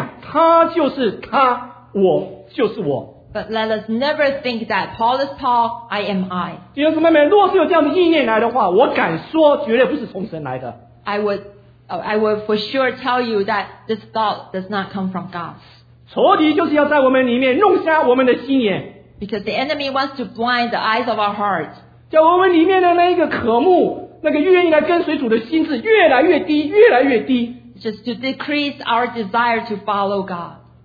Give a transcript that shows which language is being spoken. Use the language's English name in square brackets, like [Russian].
[Chinese] 今天千万在我们里面不能有一个意识地念说，哎呀，他就是他，我就是我。 [English] But let us never think that Paul is Paul, I am I. [Chinese] 弟兄姊妹们，若是有这样的意念来的话，我敢说绝对不是从神来的。 [English] I would for sure tell you that this thought does not come from God. [Chinese] 仇敌就是要在我们里面弄瞎我们的心眼。 [English] Because the enemy wants to blind the eyes of our hearts. [Chinese] 叫我们里面的那一个渴慕，那个愿意来跟随主的心智越来越低，越来越低。 [English] Just to decrease our desire to follow God.